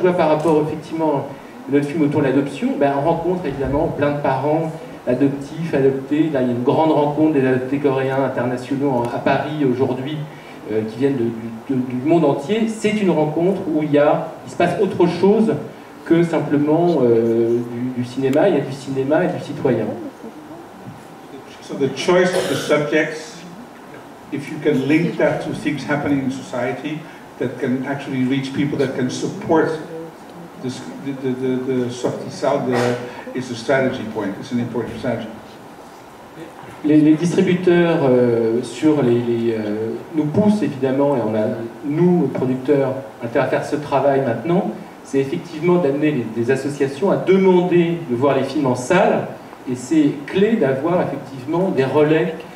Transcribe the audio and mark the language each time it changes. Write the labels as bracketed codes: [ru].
[fr] Je vois par rapport, effectivement, à notre film autour de l'adoption, ben, on rencontre évidemment plein de parents adoptifs, adoptés. Là, il y a une grande rencontre des adoptés coréens internationaux à Paris aujourd'hui, qui viennent du monde entier. C'est une rencontre où il se passe autre chose que simplement du cinéma. Il y a du cinéma et du citoyen. [en] So the choice of the subjects, if you can link that to things happening in society that can actually reach people that can support the softy sound, is a strategy point. It's an important strategy. [fr] Les distributeurs sur nous poussent évidemment, et on a, nous, producteurs, intérêt à faire ce travail maintenant, c'est effectivement d'amener des associations à demander de voir les films en salle, et c'est clé d'avoir effectivement des relais.